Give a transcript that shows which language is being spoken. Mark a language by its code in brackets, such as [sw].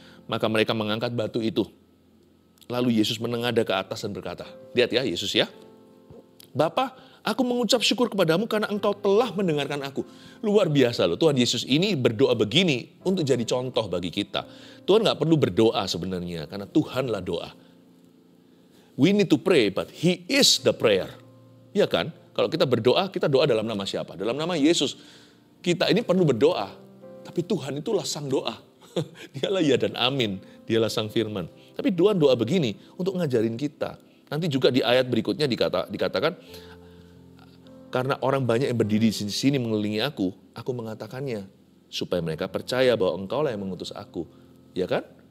[id] Maka mereka mengangkat batu itu. Lalu Yesus menengadah ke atas dan berkata, lihat ya Yesus ya. Bapa, aku mengucap syukur kepadamu karena engkau telah mendengarkan aku. Luar biasa loh, Tuhan Yesus ini berdoa begini untuk jadi contoh bagi kita. Tuhan gak perlu berdoa sebenarnya, karena Tuhanlah doa. [en] We need to pray, but He is the prayer. [id] Iya kan? Kalau kita doa dalam nama siapa? Dalam nama Yesus. Kita ini perlu berdoa. Tapi Tuhan itulah sang doa. Dialah ya dan amin. Dialah sang firman. Tapi Tuhan doa begini untuk ngajarin kita. Nanti juga di ayat berikutnya dikatakan, karena orang banyak yang berdiri di sini mengelilingi aku mengatakannya supaya mereka percaya bahwa engkau lah yang mengutus aku. Ya kan?